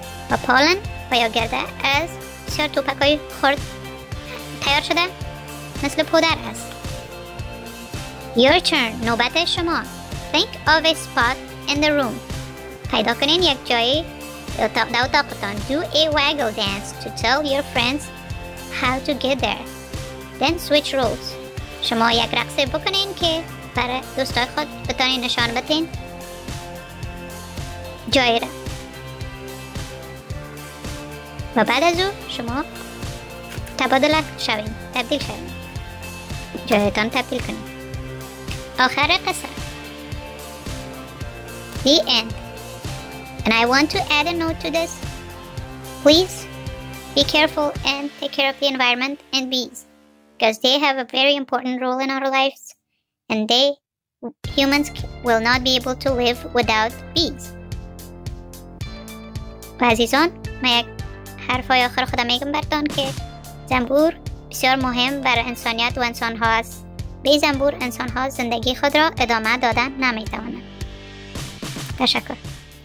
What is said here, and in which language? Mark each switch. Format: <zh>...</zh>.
<fa>و پولن و یا گرده از بسیار توپک های خرد تیار شده، مثل پودر هست.</fa> <en>Your turn.</en> <fa>نوبت شما.</fa> <en>Think of a spot in the room.</en> <fa>پیدا کنین یک جایی در اتاقتان.</fa> <en>Do a waggle dance to tell your friends how to get there. Then switch roles.</en> <fa>شما یک رقص بکنین که برای دوستای خود بتانی نشان بتین جایی را، و بعد از او شما تبادل شوین، تبدیل شوین، جایتان تبدیل کنین. آخر قصه.</fa> <en>The end. And I want to add a note to this. Please be careful and take care of the environment and bees, because they have a very important role in our lives, and they humans will not be able to live without bees.</en> <fa>و عزیزان، من یک حرفای آخر خودم میگم برتان که زنبور بسیار مهم بر انسانیت و انسان ها است. بی زنبور انسان ها زندگی خود را ادامه دادن نمی توانند. تشکر.</fa>